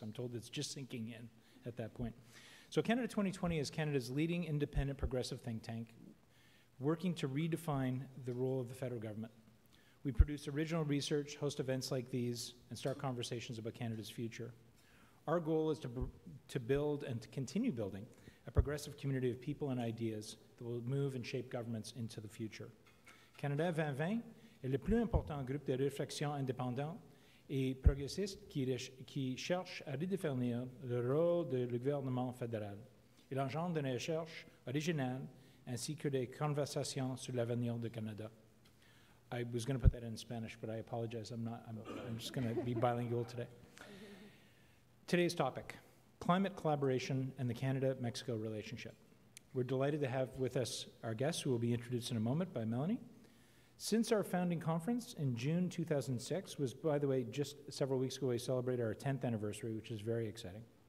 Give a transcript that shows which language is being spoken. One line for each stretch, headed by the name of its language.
English: I'm told it's just sinking in at that point. So Canada 2020 is Canada's leading independent progressive think tank, working to redefine the role of the federal government. We produce original research, host events like these, and start conversations about Canada's future. Our goal is to build and to continue building a progressive community of people and ideas that will move and shape governments into the future.
French: Canada 2020 est le plus important groupe de réflexion indépendant et progressiste qui cherche à redéfinir le rôle du gouvernement fédéral. Il engendre une recherche originale ainsi que des conversations sur l'avenir du Canada.
English: I was going to put that in Spanish, but I apologize. I'm just going to be bilingual today. Today's topic, climate collaboration and the Canada-Mexico relationship. We're delighted to have with us our guests, who will be introduced in a moment by Melanie. Since our founding conference in June 2006, was, by the way, just several weeks ago, we celebrated our 10th anniversary, which is very exciting.